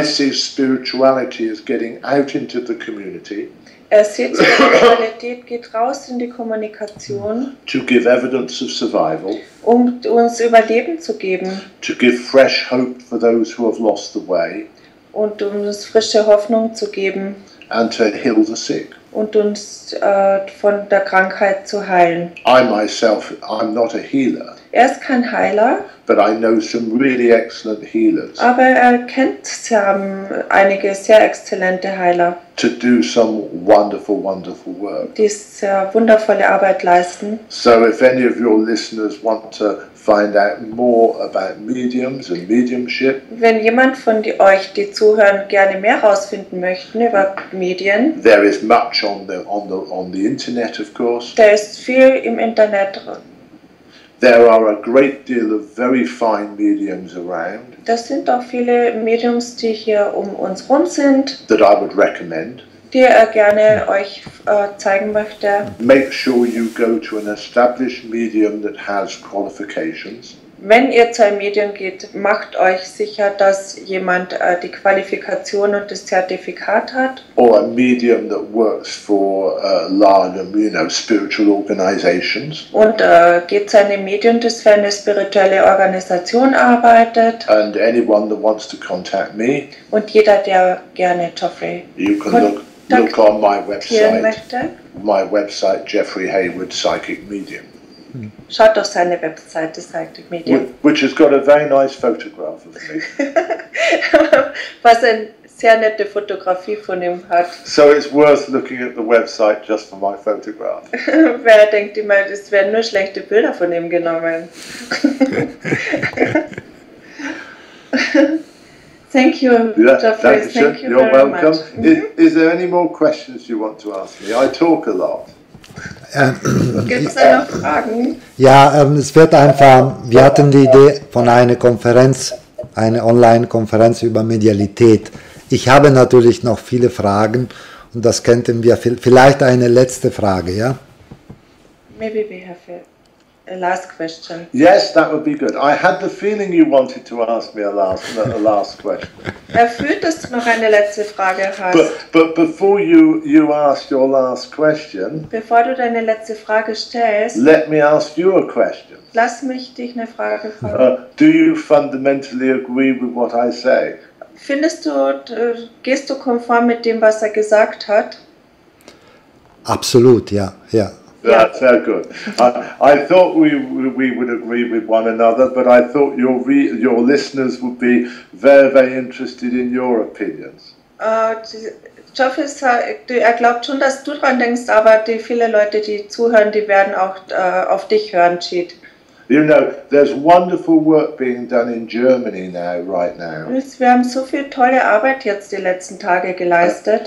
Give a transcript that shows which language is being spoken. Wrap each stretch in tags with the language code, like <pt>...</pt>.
<en>I see spirituality as getting out into the community.</en> <de>Er sieht Spiritualität, geht raus in die Kommunikation.</de> <en>To give evidence of survival.</en> <de>Um uns Überleben zu geben.</de> <en>To give fresh hope for those who have lost the way.</en> <de>Und um uns frische Hoffnung zu geben.</de> <en>And to heal the sick.</en> <de>Und uns von der Krankheit zu heilen.</de> <en>I myself, I'm not a healer.</en> <de>Er ist kein Heiler.</de> <en>But I know some really excellent healers.</en> <de>Aber er kennt einige sehr exzellente Heiler.</de> <en>To do some wonderful, wonderful work.</en> <de>Die sehr wundervolle Arbeit leisten.</de> <en>So if any of your listeners want to find out more about mediums and mediumship.</en> <de>Wenn jemand von euch, die zuhören, gerne mehr herausfinden möchten über Medien.</de> <en>There is much on the internet, of course.</en> <de>Da ist viel im Internet.</de> <en>There are a great deal of very fine mediums around.</en> <de>Das sind auch viele Mediums, die hier um uns rum sind.</de> <en>That I would recommend.</en> <de>Die er gerne euch zeigen möchte.</de> <en>Make sure you go to an established medium that has qualifications.</en> <de>Wenn ihr zu einem Medium geht, macht euch sicher, dass jemand die Qualifikation und das Zertifikat hat.</de> <en>Or a medium that works for large, you know, spiritual organizations.</en> <de>Und geht zu einem Medium, das für eine spirituelle Organisation arbeitet.</de> <en>And anyone that wants to contact me.</en> <de>Und jeder, der gerne Geoffrey</de> <en>look on my website.</en> <de>Möchte.</de> <en>My website, Geoffrey Hayward Psychic Medium.</en> <de>Schaut auf seine Webseite, Psychic Medium.</de> <en>Which has got a very nice photograph of me.</en> <de>Was eine sehr nette Fotografie von ihm hat.</de> <en>So it's worth looking at the website just for my photograph.</en> <de>Wer denkt immer, es werden nur schlechte Bilder von ihm genommen.</de> <en>Thank you, Geoffrey. Yeah, thank you. You're very welcome. Much. Is there any more questions you want to ask me? I talk a lot.</en> <de>Gibt's da noch Fragen? Ja, es wird einfach, wir hatten die Idee von einer Konferenz, eine Online-Konferenz über Medialität. Ich habe natürlich noch viele Fragen und das könnten wir, vielleicht eine letzte Frage, ja?</de> <en>Maybe we have a last question. Yes, that would be good. I had the feeling you wanted to ask me a last question.</en> <de>Er fühlt, dass du noch eine letzte Frage hast.</de> <en>But before you ask your last question,</en> <de>bevor du deine letzte Frage stellst,</de> <en>let me ask you a question.</en> <de>Lass mich dich eine Frage fragen.</de> <en>Do you fundamentally agree with what I say?</en> <de>Findest du, gehst du konform mit dem, was er gesagt hat? Absolut, ja, ja.</de> <en>That's very good. I thought we would agree with one another, but I thought your listeners would be very, very interested in your opinions.</en> <de>Geoffrey glaubt schon, dass du dran denkst, aber die viele Leute, die zuhören, die werden auch auf dich hören, Cheat.</de> <en>You know, there's wonderful work being done in Germany now, right now.</en> <de>Wir haben so viel tolle Arbeit jetzt die letzten Tage geleistet.</de>